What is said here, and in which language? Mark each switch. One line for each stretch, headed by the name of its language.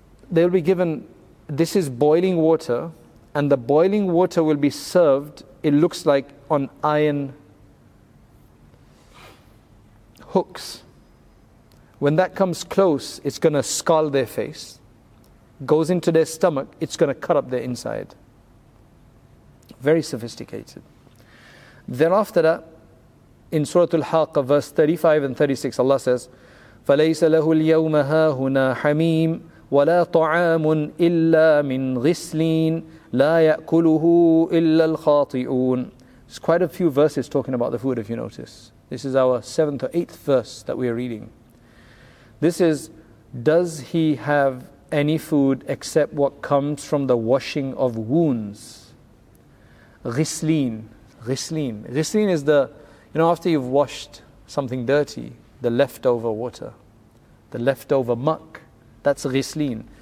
English: They'll be given, this is boiling water, and the boiling water will be served, it looks like, on iron hooks. When that comes close, it's going to scald their face, goes into their stomach, it's going to cut up their inside. Very sophisticated. Thereafter that, in Surah Al-Haqqa, verse 35 and 36, Allah says,
Arabic: فَلَيْسَ لَهُ الْيَوْمَ هَا هُنَا حَمِيمٌ وَلَا طَعَامٌ إِلَّا مِنْ غِسْلِينَ لَا يَأْكُلُهُ إِلَّا الْخَاطِئُونَ.
English: It's quite a few verses talking about the food, if you notice. This is our 7th or 8th verse that we are reading. This is, does he have any food except what comes from the washing of wounds? Ghislin. Ghislin is the, you know, after you've washed something dirty, the leftover water, the leftover muck, that's ghislin.